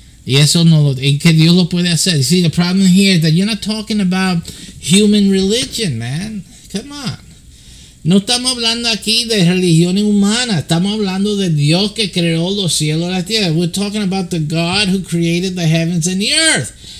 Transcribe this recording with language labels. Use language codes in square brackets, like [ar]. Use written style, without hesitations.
[es] Y eso no lo, y que Dios lo puede hacer. [en] You see, the problem here is that you're not talking about human religion, man. Come on. [es] No estamos hablando aquí de religiones humanas. Estamos hablando de Dios que creó los cielos y la tierra. [en] We're talking about the God who created the heavens and the earth.